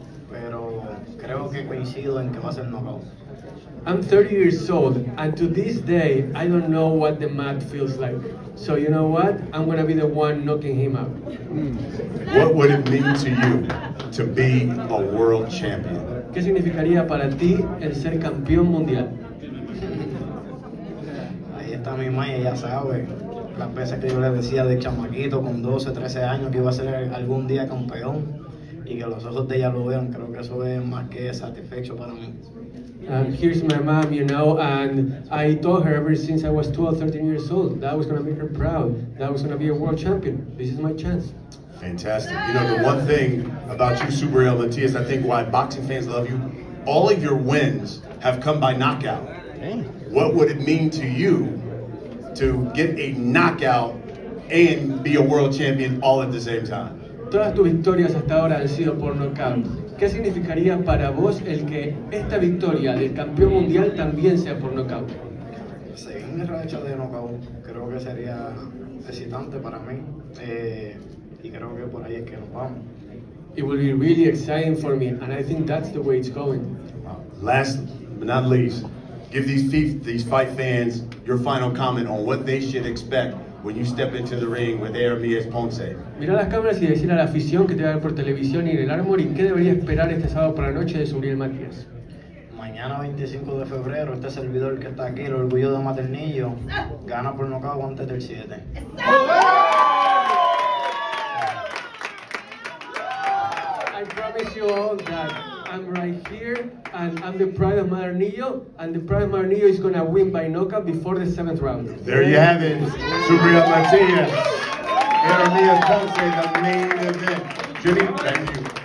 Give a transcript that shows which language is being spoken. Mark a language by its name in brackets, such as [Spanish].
[Spanish] Pero creo que coincido en que va a ser knockout. [English] I'm 30 years old, and to this day, I don't know what the mat feels like. So you know what? I'm going to be the one knocking him out. What would it mean to you to be a world champion? [Spanish] ¿Qué significaría para ti el ser campeón mundial? Ahí está mi maya, ya sabe. Las veces que yo le decía de chamaquito con 12, 13 años que iba a ser algún día campeón y que los ojos de ella lo vean, creo que eso es más que satisfecho para mí. [English] Here's my mom, you know, and I told her ever since I was 12, 13 years old, that was going to make her proud, that was going to be a world champion. This is my chance. Fantastic. You know, the one thing about you, Subriel Matias, I think why boxing fans love you, all of your wins have come by knockout. Dang. What would it mean to you to get a knockout and be a world champion all at the same time? [Spanish] Todas tus victorias hasta ahora han sido por knockout. ¿Qué significaría para vos el que esta victoria del campeón mundial también sea por knockout? Seguir mi racha de knockout creo que sería excitante para mí. Y creo que por ahí es que nos vamos. [English] It will be really exciting for me, and I think that's the way it's going. Last but not least, give these fight fans your final comment on what they should expect when you step into the ring with Aramis Ponce. [Spanish] Mira las cámaras y decir a la afición que te va a ver por televisión y en el Armory qué debería esperar este sábado por la noche de Subriel Matias. Mañana 25 de febrero, este servidor que está aquí, el orgullo de Maternillo, gana por nocaut antes del 7. [English] I promise you all that I'm right here and I'm the pride of Maternillo, and the pride of Maternillo is going to win by knockout before the 7th round. There you have it, Subriel Matias. Aramis Ponce, the main event. Jimmy, thank you.